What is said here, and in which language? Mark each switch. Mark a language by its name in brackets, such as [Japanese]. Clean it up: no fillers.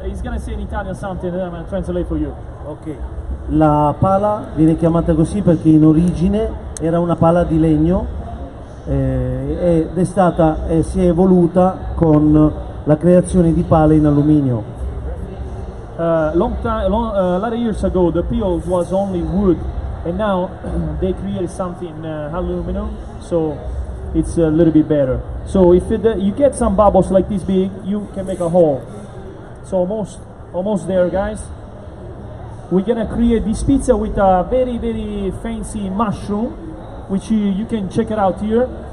[English] He's gonna say in Italian something, then I'm gonna translate for you. Okay. [Italian] La pala viene chiamata così perché in origine era una pala di legno ed è stata e si è evoluta con la creazione di pale in alluminio. [English] A lot of years ago, the peel was only wood, and now they created something aluminum, so it's a little bit better. So if you get some bubbles like this big, you can make a hole. So almost there, guys. We're gonna create this pizza with a very, very fancy mushroom, which you can check it out here.